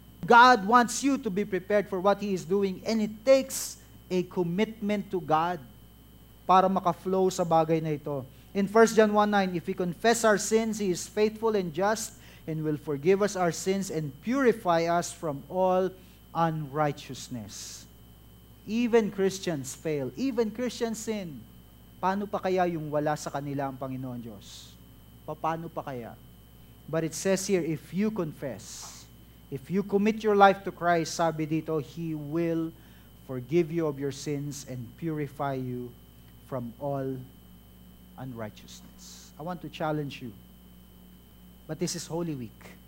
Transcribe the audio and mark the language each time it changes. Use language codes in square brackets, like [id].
[en] God wants you to be prepared for what He is doing. And it takes a commitment to God [tl] para makaflow sa bagay na ito. [en] In 1 John 1:9, if we confess our sins, He is faithful and just and will forgive us our sins and purify us from all unrighteousness. Even Christians fail. Even Christians sin. [tl] Paano pa kaya yung wala sa kanila ang Panginoon Diyos? Paano pa kaya? [en] But it says here, if you confess, if you commit your life to Christ, [tl] sabi dito, [en] He will forgive you of your sins and purify you from all unrighteousness. I want to challenge you. But this is Holy Week.